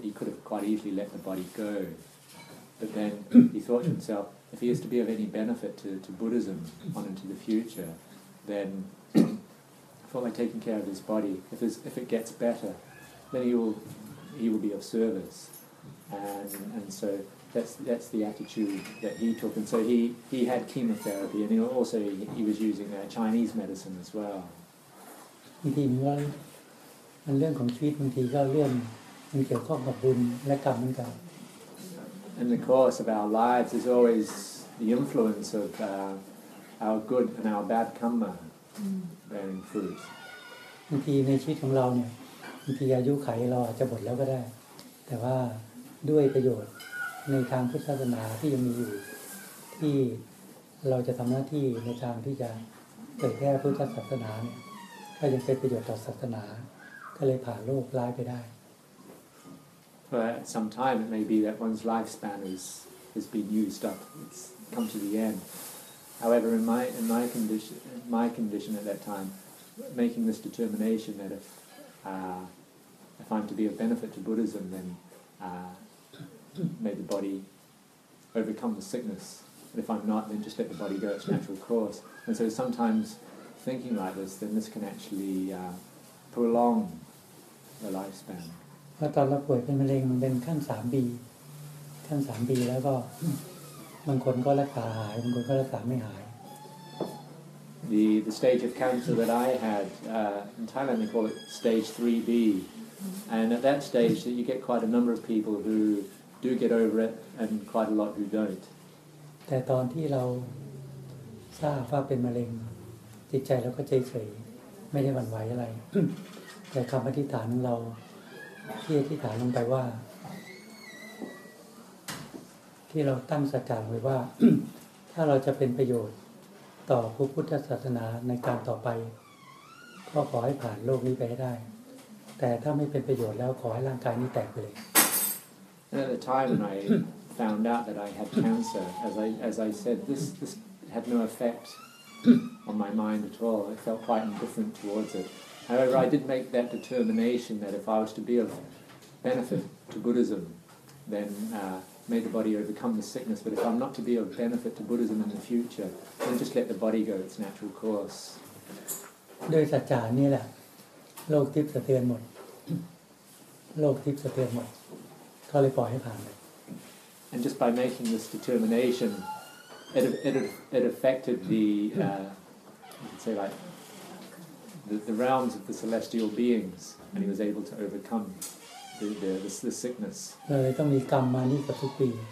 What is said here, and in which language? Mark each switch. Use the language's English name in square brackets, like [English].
[English] He could have quite easily let the body go, but then he thought to himself, if he is to be of any benefit to Buddhism on into the future, then for by taking care of his body, if it gets better, then he will be of service, and so that's the attitude that he took. And so he had chemotherapy, and he was using Chinese medicine as well. [Thai] บางทีมันว่ามันเรื่องของชีวิตบางทีก็เรื่องมันเกี่ยวข้องกับบุญและกรรมเหมือนกัน [English] In the course of our lives, there's always the influence of our good and our bad karma bearing fruit. [Thai] บางทีในชีวิตของเราเนี่ยบางทีอายุไขเราอาจจะหมดแล้วก็ได้แต่ว่าด้วยประโยชน์ในทางพุทธศาสนาที่ยังมีอยู่ที่เราจะทำหน้าที่ในทางที่จะเผยแพร่พุทธศาสนาเนี่ยก็ยังเป็นประโยชน์ต่อศาสนาก็เลยผ่านโรคร้ายไปได้ [English] But sometime it may be that one's lifespan has been used up, it's come to the end. However, in my condition at that time, making this determination that if I'm to be of benefit to Buddhism, then may the body overcome the sickness. And if I'm not, then just let the body go its natural course. And so sometimes. Thinking like this, then this can actually prolong the lifespan. But when we get cancer, it's stage 3B. And some people get cured, some people don't get cured. The stage of cancer that I had in Thailand, they call it stage 3B. And at that stage, you get quite a number of people who do get over it, and quite a lot who don't. But when we know that it's cancer. [Thai] จิตใจเราก็เฉยๆไม่ได้หวั่นไหวอะไรแต่คำอธิษฐานของเราที่อธิษฐานลงไปว่าที่เราตั้งสัจจะไว้ว่าถ้าเราจะเป็นประโยชน์ต่อพระพุทธศาสนาในการต่อไปก็ขอให้ผ่านโลกนี้ไปให้ได้แต่ถ้าไม่เป็นประโยชน์แล้วขอให้ร่างกายนี้แตกไปเลย [English] At the time when I found out that I had cancer as I said this had no effecton my mind at all. I felt quite indifferent towards it. However, I did make that determination that if I was to be of benefit to Buddhism, then may the body overcome the sickness. But if I'm not to be of benefit to Buddhism in the future, then just let the body go its natural course. [Thai] ด้วยสัจจานี่แหละโลกทิพย์สะเทือนหมดโลกทิพย์สะเทือนหมดเขาเลยปล่อยให้ผ่าน [English] And just by making this determination, it affected the say like the realms of the celestial beings, and he was able to overcome the sickness. [Thai] เลยต้องมีกรรมมานี่กับทุกปี